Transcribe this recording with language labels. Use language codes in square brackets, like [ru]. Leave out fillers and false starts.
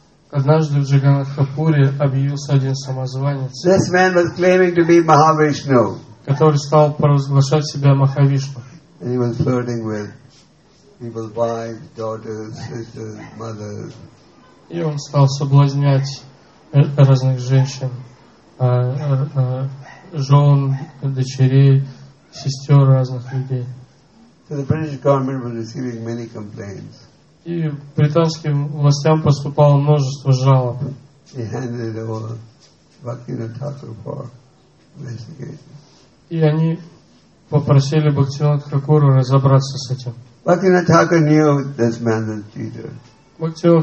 [ru] Однажды в Джаганнатхапуре объявился один самозванец. [en] This man was claiming to be Mahavishnu. [ru] Который стал провозглашать себя Махавишну. [en] And he was flirting with people's wives, daughters, sisters, mothers. [ru] И он стал соблазнять разных женщин, жен, дочерей, сестер разных людей. [en] So the British government was receiving many complaints. [ru] И британским властям поступало множество жалоб. [en] He handed over Bhaktivinoda Thakur for investigation. [ru] И они попросили Бхактивинода Тхакуру разобраться с этим. Бхактивинода